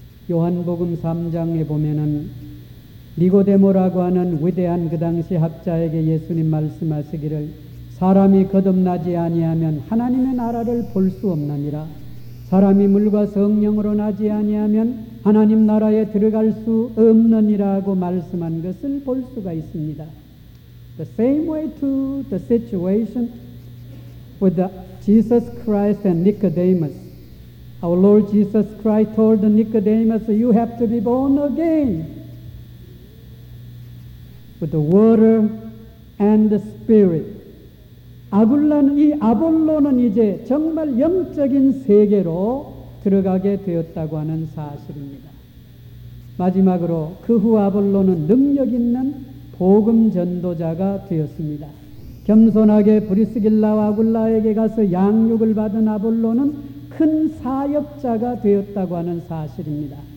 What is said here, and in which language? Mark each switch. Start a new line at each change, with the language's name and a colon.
Korean: 요한복음 3장에 보면은 니고데모라고 하는 위대한 그 당시 학자에게 예수님 말씀하시기를 사람이 거듭나지 아니하면 하나님의 나라를 볼 수 없느니라. 사람이 물과 성령으로 나지 아니하면 하나님 나라에 들어갈 수 없느니라고 말씀한 것을 볼 수가 있습니다.
English: The same way to the situation with Jesus Christ and Nicodemus. Our Lord Jesus Christ told Nicodemus, you have to be born again with the water and the spirit.
Korean: 아굴라는, 이 아볼로는 이제 정말 영적인 세계로 들어가게 되었다고 하는 사실입니다. 마지막으로 그 후 아볼로는 능력 있는 복음 전도자가 되었습니다. 겸손하게 브리스길라와 아굴라에게 가서 양육을 받은 아볼로는 큰 사역자가 되었다고 하는 사실입니다.